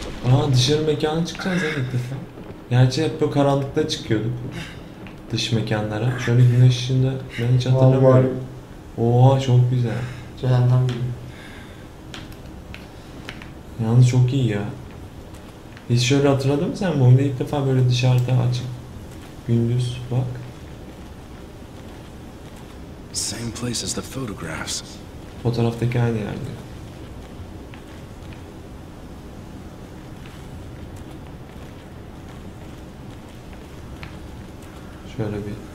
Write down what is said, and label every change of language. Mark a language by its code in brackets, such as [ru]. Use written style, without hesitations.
[tr] Aa, dışarı mekana çıkacağız ilk defa. Gerçi hep böyle karanlıkta çıkıyorduk. Dış mekanlara. Şöyle güneş içinde ben hiç hatırlamıyorum. Oha, çok güzel. Cehennem gibi. Yalnız çok iyi ya. Hiç şöyle hatırladın mı sen? Bu oyunda ilk defa böyle dışarıda açık. Gündüz bak. [en] Same place as the photographs. [tr] Fotoğraftaki aynı yerde. Şöyle bir.